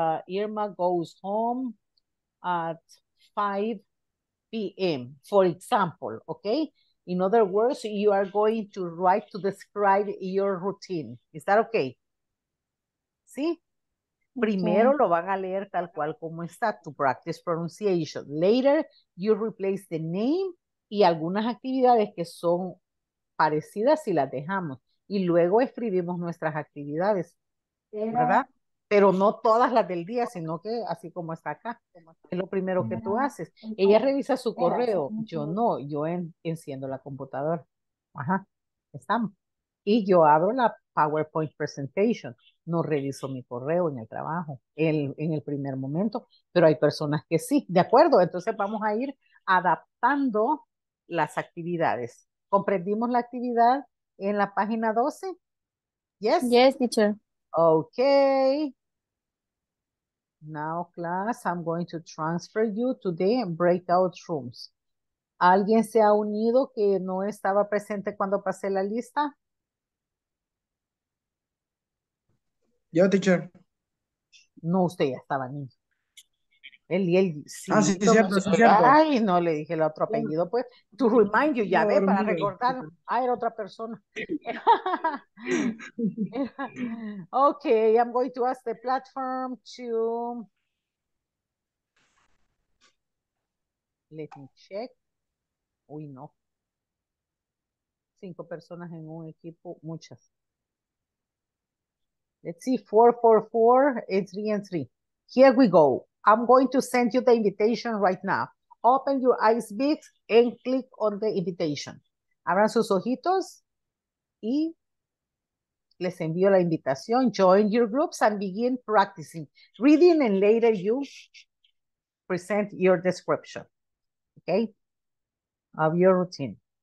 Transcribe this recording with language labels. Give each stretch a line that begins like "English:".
English: Irma goes home at 5 p.m., for example, okay? In other words, you are going to write to describe your routine. Is that okay?
Spanish: ¿sí? Primero lo van a leer tal cual como está,
English: to practice pronunciation. Later, you replace the name
Spanish: y algunas actividades que son parecidas si las dejamos. Y luego escribimos nuestras actividades, ¿verdad? Pero no todas las del día, sino que así como está acá. Es lo primero que tú haces. Ella revisa su correo. Yo no, yo enciendo la computadora. Ajá, estamos. Y yo abro la PowerPoint presentation. No reviso mi correo en el trabajo, en el primer momento. Pero hay personas que sí. ¿De acuerdo? Entonces vamos a ir adaptando las actividades. ¿Comprendimos la actividad en la página 12? Yes.
English: Yes, teacher. Okay. Now, class, I'm going to transfer you to the breakout rooms.
Spanish: ¿Alguien se ha unido que no estaba presente cuando pasé la lista? Yo, teacher. No, usted ya estaba unido. Él y él. Sí, ah, sí, sí, cierto. Ay, no le dije el otro apellido, pues.
English: To remind you,
Spanish: ya ve, para recordar. Ah, era otra persona.
English: Okay, I'm going to ask the platform to... Let me check.
Spanish: Uy, no. Cinco personas en un equipo, muchas.
English: Let's see, 4-4-4, entry, entry. Here we go. I'm going to send you the invitation right now. Open your eyes big and click on the invitation.
Spanish: Abran sus ojitos y les envío la invitación.
English: Join your groups and begin practicing. Reading and later you present your description. Okay? Of your routine.